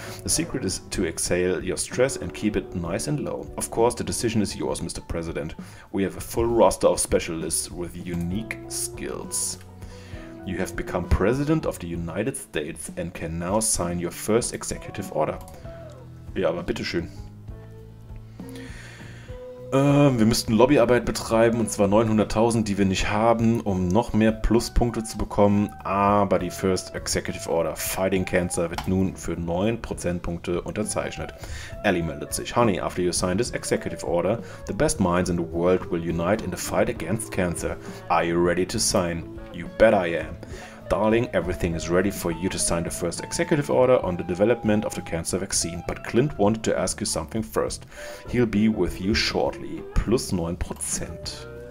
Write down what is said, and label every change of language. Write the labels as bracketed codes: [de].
[en] The secret is to exhale your stress and keep it nice and low. Of course, the decision is yours, Mr. President. We have a full roster of specialists with unique skills. You have become President of the United States and can now sign your first executive order. [de] Ja, aber bitteschön. Wir müssten Lobbyarbeit betreiben, und zwar 900.000, die wir nicht haben, um noch mehr Pluspunkte zu bekommen. Aber die First Executive Order Fighting Cancer wird nun für 9 Prozentpunkte unterzeichnet. Ellie meldet sich. [en] Honey, after you sign this Executive Order, the best minds in the world will unite in the fight against cancer. Are you ready to sign? You bet I am. Darling, everything is ready for you to sign the first executive order on the development of the cancer vaccine. But Clint wanted to ask you something first. He'll be with you shortly. Plus 9%.